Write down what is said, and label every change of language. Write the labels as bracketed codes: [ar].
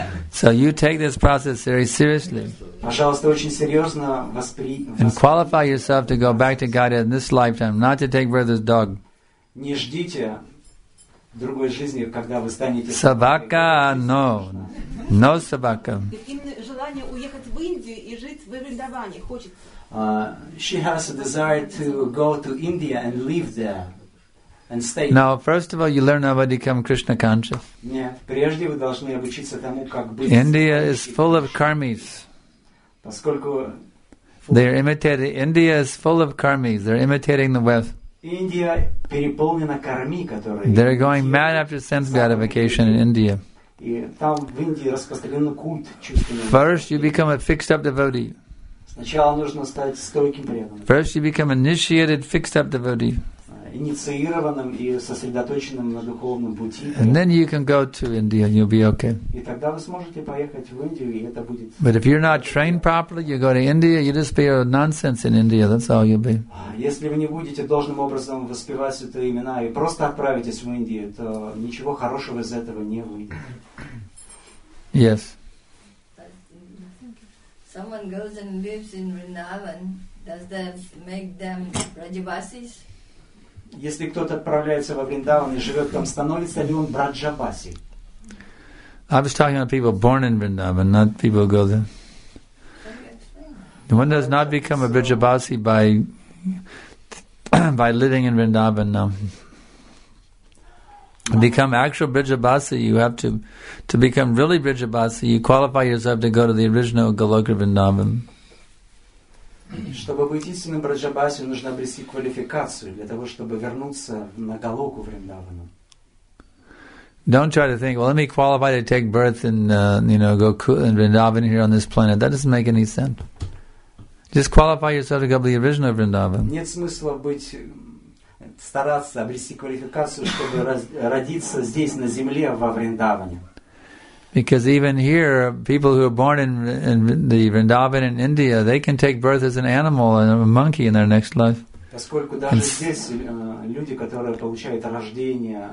[en] So you take this process very seriously. And qualify yourself to go back to Gaudiya in this lifetime, not to take birth as a dog. [ru] Не ждите другой жизни, когда вы станете собака, но no собака. Желание уехать в Индию и жить в Вриндаване хочется. [en] She has a desire to go to India and live there and stay. Now, first of all, you learn how to become Krishna conscious. [ru] Нет, прежде вы должны обучиться тому, как быть. [en] India is full of karmis. [ru] Поскольку [en] India is full of karmis. They're imitating the West. [ru] India переполнена карми, которые. [en] They're going mad after sense gratification in India. [ru] И там в Индии распространен культ чувственного. [en] First, you become a fixed up devotee. [ru] Сначала нужно стать стойким преданным. [en] First, you become initiated fixed up devotee. [ru] Инициированным и сосредоточенным на духовном пути. [en] And then you can go to India and you'll be okay. [ru] И тогда вы сможете поехать в Индию и это будет. [en] But if you're not trained properly, you go to India, you just be a nonsense in India. That's all you'll be. [ru] Если вы не будете должным образом воспевать эти имена и просто отправитесь в Индию, то ничего хорошего из этого не выйдет. [en] Yes. someone goes and lives in Vrindavan, does that make them Rajavasis? [ru] Если кто-то отправляется во Вриндаван и живет там, становится ли он Раджаваси? [en] I was talking about people born in Vrindavan, not people who go there. One does not become a Rajavasi by living in Vrindavan, no. To become actual Brijabasi, you have to become really Brijabasi, you qualify yourself to go to the original Goloka Vrindavan. [ru] Чтобы быть истинным Брджабаси, нужно обрести квалификацию для того, чтобы вернуться на Голоку Вриндавану. [en] Don't try to think, well, let me qualify to take birth in Vrindavan here on this planet. That doesn't make any sense. Just qualify yourself to go to the original Vrindavan. [ru] Нет смысла быть, стараться обрести квалификацию, чтобы родиться здесь, на земле, во Вриндаване. [en] Because even here, people who are born in the Vrindavan in India, they can take birth as an animal and a monkey in their next life. [ru] Поскольку даже здесь люди, которые получают рождение,